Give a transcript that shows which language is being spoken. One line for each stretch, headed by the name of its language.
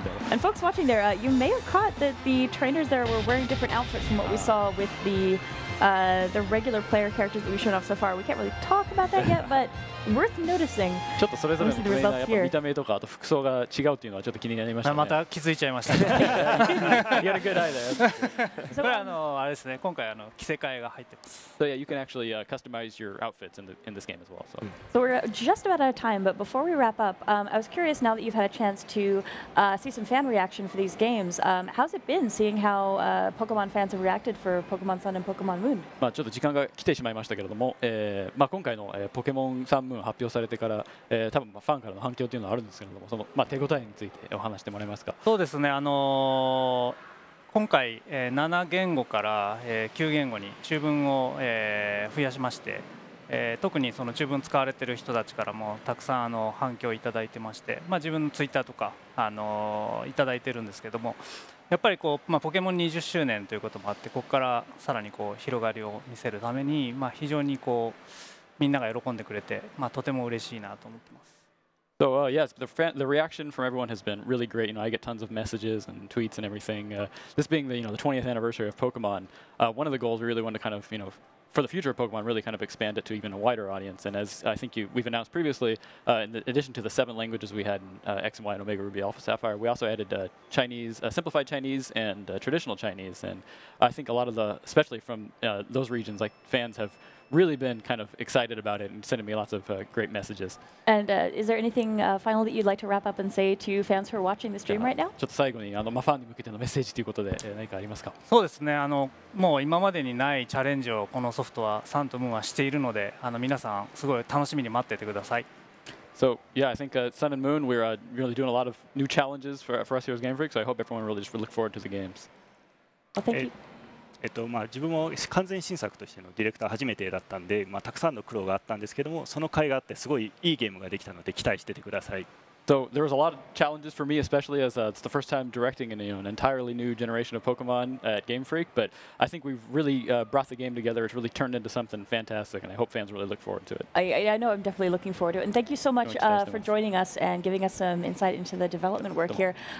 English: And folks watching there, you may have caught that the trainers there were wearing different outfits from what we saw with the regular player characters that we've shown off so far. We can't really talk about that yet, but worth noticing.
Japanese: ちょっとそれぞれのプレイヤーやっぱ見た目とかあと服装が違うっていうのはちょっと気になりましたね。また気づいちゃいました。
English: You got a good eye there.
Japanese: So これあれですね、今回着せ替えが入ってます。
English: So yeah, you can actually customize your outfits in this game as well. So. So we're just about out of time, but before we wrap up, I was curious now that you've had a chance to see some fan reaction for these games. How's it been seeing how Pokemon fans have reacted for Pokemon Sun and Pokemon Moon? Moon.
Japanese: まあちょっと時間が来てしまいましたけれども、まあ今回のポケモンサンムーン発表されてから、多分ファンからの反響というのはあるんですけれども、そのまあ手応えについてお話してもらえますか。そうですね、今回7言語から9言語に中文を増やしまして、特にその中文使われている人たちからもたくさん反響をいただいてまして、まあ自分のツイッターとかいただいてるんですけども、やっぱりこうまあポケモン20周年ということもあって、ここからさらにこう広がりを見せるために、まあ非常にこうみんなが喜んでくれて、まあとても嬉しいなと思ってます。
English: So yes, the reaction from everyone has been really great. You know, I get tons of messages and tweets and everything. This being the 20th anniversary of Pokemon, one of the goals we really want to kind of, you know, for the future of Pokemon, really kind of expand it to even a wider audience. And as I think we've announced previously, in addition to the 7 languages we had in X and Y and Omega Ruby Alpha Sapphire, we also added Chinese, simplified Chinese and traditional Chinese. And I think a lot of the, especially from those regions, like fans have really been kind of excited about it and sending me lots of great messages. And is there anything final that you'd like to wrap up and say to fans who are watching the stream right now?
Japanese: ちょっと最後にファンに向けてのメッセージということで何かありますか？そうですね、もう今までにないチャレンジをこのソフトはサンとムーンはしているので、皆さんすごい楽しみに待っててください。
English: So yeah, I think Sun and Moon, we're really doing a lot of new challenges for us here as Game Freak, so I hope everyone really just look forward to the games. Well, thank you.
Japanese: まあ、自分も完全新作としてのディレクター初めてだったんで、まあ、たくさんの苦労があったんですけども、その甲斐があってすごいいいゲームができたので期待しててください。
English: So there was a lot of challenges for me, especially as it's the first time directing an entirely new generation of Pokemon at Game Freak, but I think we've really brought the game together. It's really turned into something fantastic, and I hope fans really look forward to it. I know I'm definitely looking forward to it, and thank you so much for joining us and giving us some insight into the development work here.